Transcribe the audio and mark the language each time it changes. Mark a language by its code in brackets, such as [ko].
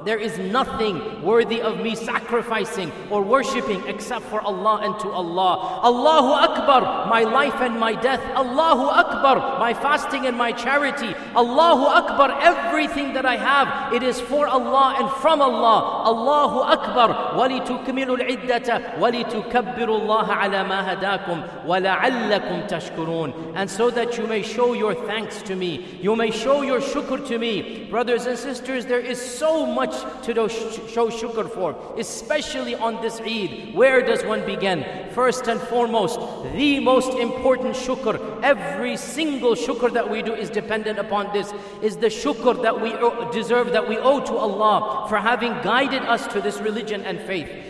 [en] There is nothing worthy of me sacrificing or worshipping except for Allah and to Allah. Allahu Akbar, my life and my death. Allahu Akbar, my fasting and my charity. Allahu Akbar, everything that I have, it is for Allah and from Allah. [ar] Allahu Akbar, ولتكملوا العدة ولتكبروا الله على ما هداكم ولعلكم تشكرون. [en] And so that you may show your thanks to me, you may show your shukr to me. Brothers and sisters, there is so much to show shukr for, especially on this Eid. Where does one begin? First and foremost, the most important shukr, every single shukr that we do is dependent upon this, is the shukr that we deserve, that we owe to Allah for having guided us to this religion and faith.